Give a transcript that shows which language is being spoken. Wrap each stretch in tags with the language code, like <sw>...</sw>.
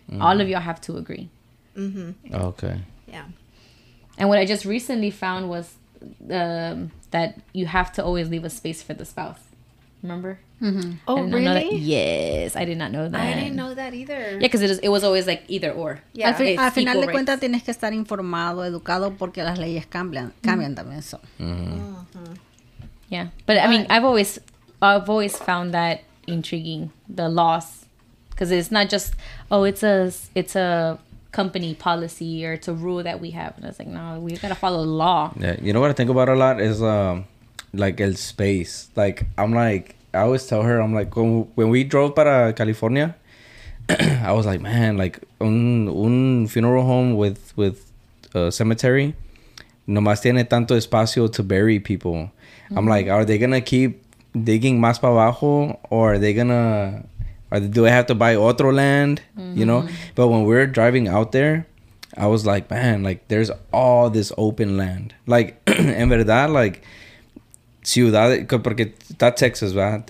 <en>Mm. All of y'all have to agree. Mm-hmm. Okay. Yeah. And what I just recently found was that you have to always leave a space for the spouse. Remember? Mm-hmm. Oh, really? Yes. I did not know that. I didn't know that either. Yeah, because it was always like either or. Yeah.</en> <es>Al final de cuentas, tienes que estar informado, educado, porque las leyes cambian también.</es> <en>So. Mm-hmm. Uh-huh. Yeah. But, I mean, I've always found that intriguing, the loss. Because it's not just, oh, it's a company policy or it's a rule that we have. And I was like, no, we've got to follow the law. Yeah. You know what I think about a lot is, like, el space. Like, I'm like, I always tell her, I'm like, when we drove</en> <es>para</es> <en>California, I was like, man, like, un funeral home with a cemetery,</en> <es>nomás tiene tanto espacio</es> <en>to bury people. Mm-hmm. I'm like, are they gonna keep digging</en> <es>más para abajo,</es> <en>or are they gonna, or do I have to buy</en> <es>otro</es> <en>land? Mm-hmm. You know? But when we were driving out there, I was like, man, like, there's all this open land.</en> <es>Like, en verdad, like, ciudad, porque está Texas, ¿verdad?</es>